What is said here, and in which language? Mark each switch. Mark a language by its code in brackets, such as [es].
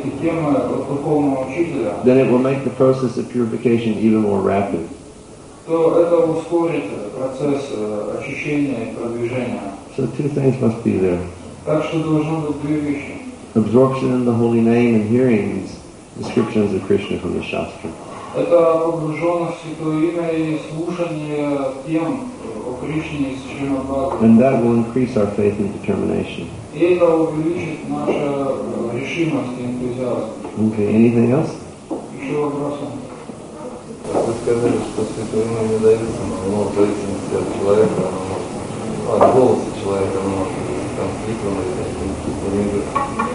[en] Then it will make the process of purification even more rapid. So two things must be there. Absorption in the holy name and hearing these descriptions of Krishna from the Shastra. [ru] Это погруженность в святое имя и слушание тем о Кришне из Шримад-Бхагаватам. [en] And that will increase our faith and determination. [ru] И это увеличит нашу решимость и энтузиазм. [en] Okay, anything else? [ru] Еще вопросы? Вы сказали, что святое имя не дается, но оно в зависимости от человека, оно может, от голоса человека, оно может быть конфликтом или каким-то.